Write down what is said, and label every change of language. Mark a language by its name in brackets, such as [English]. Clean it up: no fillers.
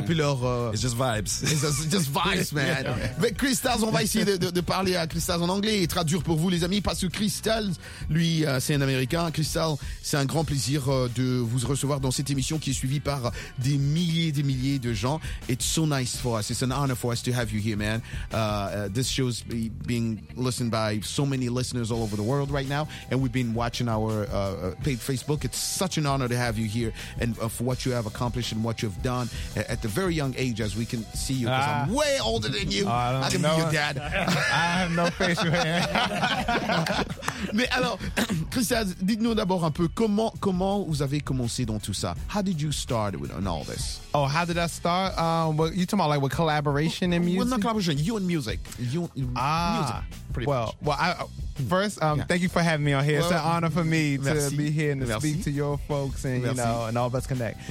[French] depuis lors [English] it's just vibes. It's just vibes, man. Yeah. [French] Mais Crystals, on va essayer de parler à Crystals en anglais et traduire pour vous, les amis, parce que Crystals, lui, c'est un Américain. Crystals, c'est un grand plaisir de vous recevoir dans cette émission qui est suivie par des milliers de gens. [English] It's so nice for us. It's an honor for us to have you here, man. This show's being listened by so many listeners all over the world right now, and we've been watching our paid Facebook. It's such an honor to have you here, and for what you have accomplished and what you've done at the very young age, as we can see you, because I'm way older than you. I can be your dad. I have no facial hair. [French] Mais alors, Christian, dites-nous d'abord un peu comment vous avez commencé dans tout ça. [English] How did you start with in all this? Oh, how did I start? Well, you talking about like with collaboration and music? Well, not collaboration, you and music. You music. Pretty well, much. Well, first, thank you for having me on here. Well, it's an honor for me [French] merci. [English] To be here and to [French] merci. [English] Speak to your folks and, [French] merci. [English] You know, and all of us connect.